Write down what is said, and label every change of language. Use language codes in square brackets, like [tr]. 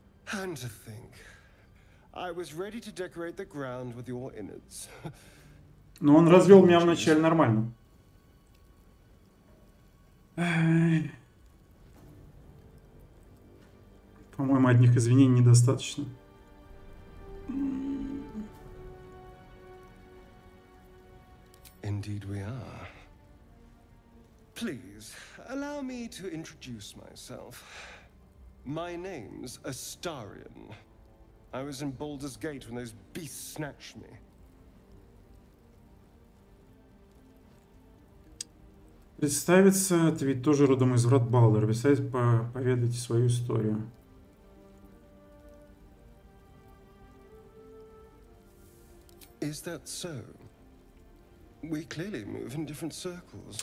[en] And to think, I was ready to decorate the ground with your innards. [ru] Но он развел меня вначале нормально. По-моему, одних извинений недостаточно. [en] Indeed we are. Please, allow me to introduce myself. My name's Astarion. I was in Baldur's Gate when those beasts snatched me. [ru] Представиться, ты ведь тоже родом из Вратбаллера. Представить, поведать свою историю. [en] Is that so? We clearly move in different circles.